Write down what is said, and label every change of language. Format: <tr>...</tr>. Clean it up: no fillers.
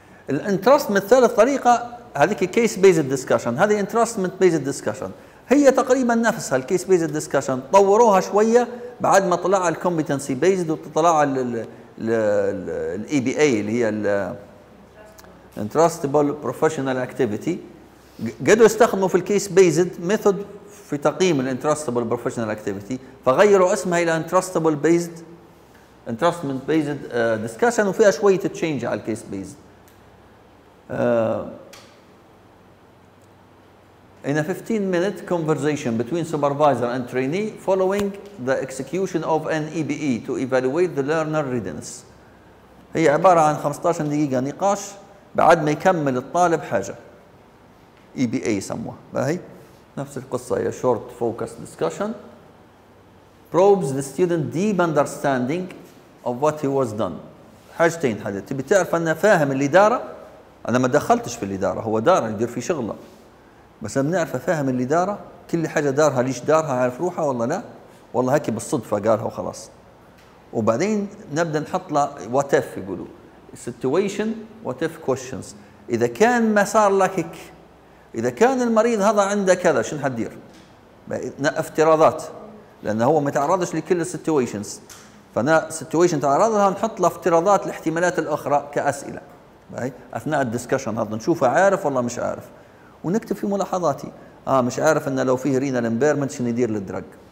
<ar>الانترستمنت ثالث طريقه هذيك الكيس بيزد دسكشن، هذه انترستمنت بيزد دسكشن، هي تقريبا نفسها الكيس بيزد دسكشن، طوروها شويه بعد ما طلع الكومبتنسي بيزد وطلع الاي بي اي اللي هي الانترستبل بروفيشنال اكتيفيتي، قدروا استخدموا في الكيس بيزد ميثود في تقييم الانترستبل بروفيشنال اكتيفيتي، فغيروا اسمها الى انترستبل بيزد انترستمنت بيزد ديسكشن، وفيها شويه تشينج على الكيس بيزد.</ar> <en>In a 15-minute conversation between supervisor and trainee following the execution of an EBE to evaluate the learner readiness.</en> <ar>هي عبارة عن 15 دقيقة نقاش بعد ما يكمل الطالب حاجة. EBA سموها.</ar> <en>هي نفس القصة، هي short focus discussion probes the student deep understanding of what he was done.</en> <ar>حاجتين حاجة، تبي تعرف أنه فاهم الإدارة؟ أنا ما دخلتش في الإدارة، هو دار يدير في شغله. بس لما نعرف فاهم اللي دارها كل حاجه دارها ليش دارها، عارف روحها والله لا والله هيك بالصدفه قالها وخلاص. وبعدين نبدا نحط له وات اف، يقولوا سيتويشن وات اف كويشنز، اذا كان ما صار لك هيك، اذا كان المريض هذا عنده كذا شنو حتدير؟ افتراضات، لانه هو ما تعرضش لكل السيتويشنز، فانا سيتويشن تعرض لها نحط له افتراضات الاحتمالات الاخرى كاسئله اثناء الدسكشن هذا، نشوفه عارف والله مش عارف، ونكتب في ملاحظاتي مش عارف ان لو فيه رينال امبيرمنت شنو يدير للدرج،</ar>